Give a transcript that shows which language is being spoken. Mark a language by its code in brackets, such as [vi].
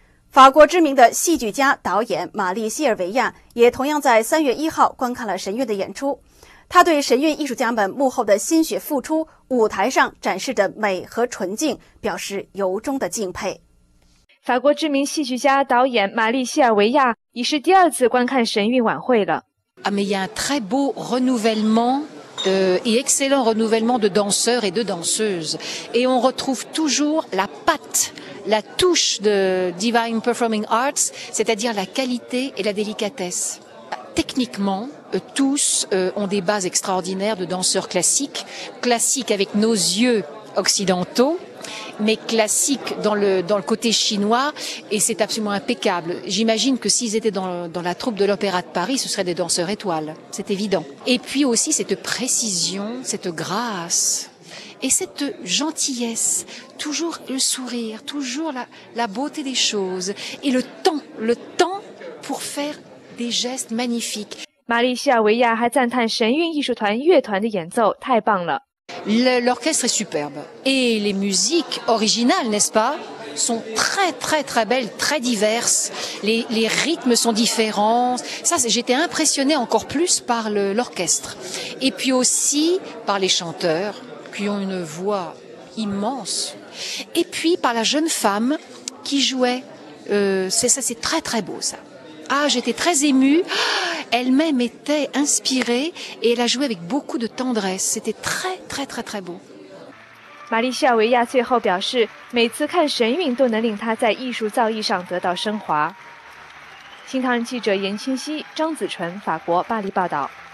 [zh] 法国知名的戏剧家导演玛丽希尔维亚也同样在3月1号观看了神韵的演出，他对神韵艺术家们幕后的心血付出、舞台上展示的美和纯净表示由衷的敬佩。法国知名戏剧家导演玛丽希尔维亚已是第二次观看神韵晚会了。 [fr] Il y a un très beau renouvellementet excellent renouvellement de danseurs et de danseuses. Et on retrouve toujours la patte, la touche de Divine Performing Arts, c'est-à-dire la qualité et la délicatesse. Techniquement, tous ont des bases extraordinaires de danseurs classiques, classiques avec nos yeux occidentaux, mais classique dans le côté chinois, et c'est absolument impeccable. J'imagine que s'ils étaient dans la troupe de l'Opéra de Paris, ce seraient des danseurs étoiles, c'est évident. Et puis aussi cette précision, cette grâce et cette gentillesse, toujours le sourire, toujours la beauté des choses et le temps pour faire des gestes magnifiques. [zh] 玛丽西亚维亚还赞叹神韵艺术团乐团的演奏太棒了。 [fr] L'orchestre est superbe et les musiques originales, n'est-ce pas, sont très très très belles, très diverses. Les rythmes sont différents. Ça, j'étais impressionnée encore plus par l'orchestre et puis aussi par les chanteurs qui ont une voix immense et puis par la jeune femme qui jouait. C'est très très beau ça. Ah, j'étais très émue. Elle-même était inspirée et elle a joué avec beaucoup de tendresse. C'était très, très, très, très beau. [zh] 玛丽西亚维亚最后表示, 每次看神韵都能令她在艺术造诣上得到升华。新唐人记者严清溪, 张子纯, 法国巴黎报道。